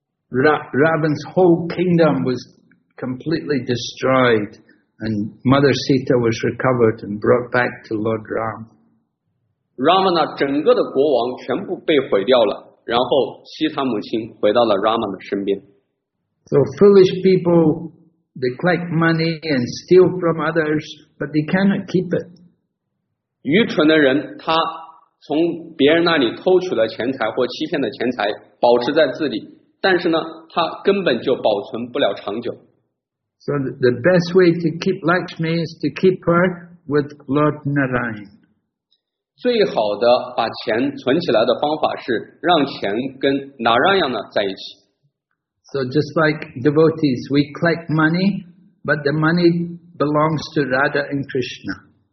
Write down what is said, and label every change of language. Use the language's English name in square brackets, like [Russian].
[English] Ravan's whole kingdom was completely destroyed, and Mother Sita was recovered and brought back to Lord Ram. [Chinese] Ramana 整个的国王全部被毁掉了，然后西塔母亲回到了 Ramana 的身边。 [English] So foolish people, they collect money and steal from others, but they cannot keep it. [Chinese] 愚蠢的人，他从别人那里偷取了钱财或欺骗的钱财，保持在自己，但是呢，他根本就保存不了长久。 [English] So the best way to keep Lakshmi is to keep her with Lord Narayan. [Chinese] 最好的把钱存起来的方法是让钱跟 Narayana 在一起。 [English] So just like devotees, we collect money, but the money belongs to Radha and Krishna.